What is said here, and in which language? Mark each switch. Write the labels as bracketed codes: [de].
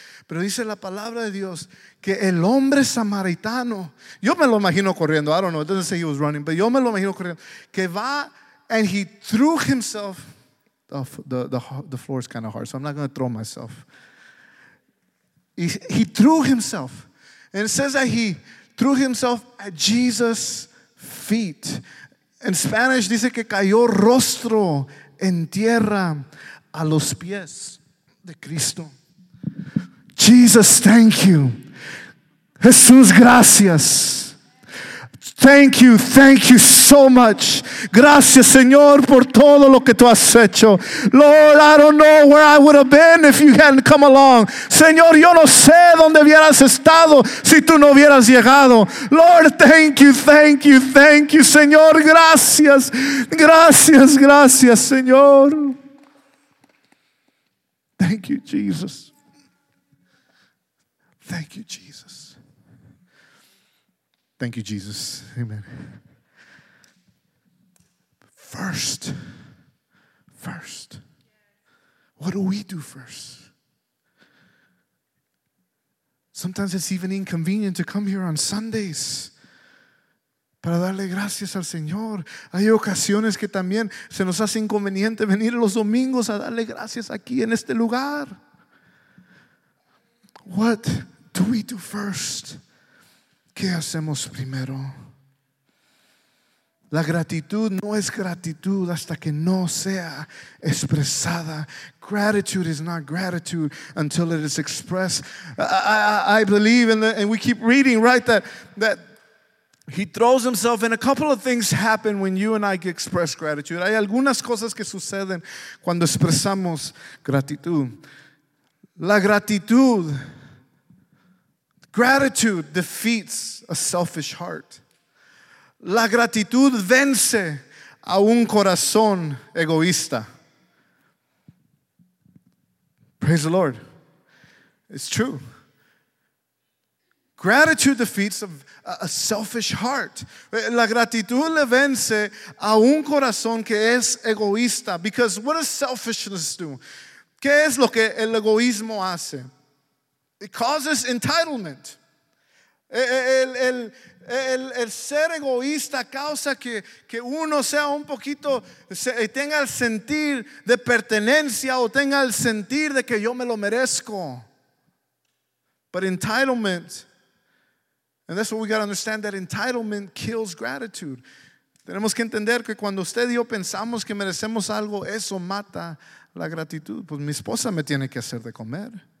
[es] Pero dice la palabra de Dios que el hombre samaritano, yo me lo imagino corriendo, [en] I don't know, it doesn't say he was running, but [es] yo me lo imagino corriendo, que va, [en] and he threw himself, the floor is kind of hard, so I'm not going to throw myself. He threw himself. And it says that he threw himself at Jesus' feet. [es] En Spanish dice que cayó rostro en tierra a los pies de Cristo. [en] Jesus, thank you. [es] Jesús, gracias. [en] Thank you so much. [es] Gracias, Señor, por todo lo que tú has hecho. [en] Lord, I don't know where I would have been if you hadn't come along. [es] Señor, yo no sé dónde hubieras estado si tú no hubieras llegado. [en] Lord, thank you, [es] Señor. Gracias, gracias, gracias, Señor. [en] Thank you, Jesus. Thank you, Jesus. Thank you, Jesus. Amen. First. What do we do first? Sometimes it's even inconvenient to come here on Sundays [es] para darle gracias al Señor. Hay ocasiones que también se nos hace inconveniente venir los domingos a darle gracias aquí en este lugar. [en] What do we do first? [es] ¿Qué hacemos primero? La gratitud no es gratitud hasta que no sea expresada. [en] Gratitude is not gratitude until it is expressed. I believe, and we keep reading, right, that he throws himself, and a couple of things happen when you and I express gratitude. [es] Hay algunas cosas que suceden cuando expresamos gratitud. La gratitud. [en] Gratitude defeats a selfish heart. [es] La gratitud vence a un corazón egoísta. [en] Praise the Lord. It's true. Gratitude defeats a selfish heart. [es] La gratitud le vence a un corazón que es egoísta. [en] Because what does selfishness do? [es] ¿Qué es lo que el egoísmo hace? [en] It causes entitlement. [es] El ser egoísta causa que uno sea un poquito, tenga el sentir de pertenencia o tenga el sentir de que yo me lo merezco. [en] But entitlement, and that's what we got to understand, that entitlement kills gratitude. [es] Tenemos que entender que cuando usted y yo pensamos que merecemos algo, eso mata la gratitud. Pues mi esposa me tiene que hacer de comer.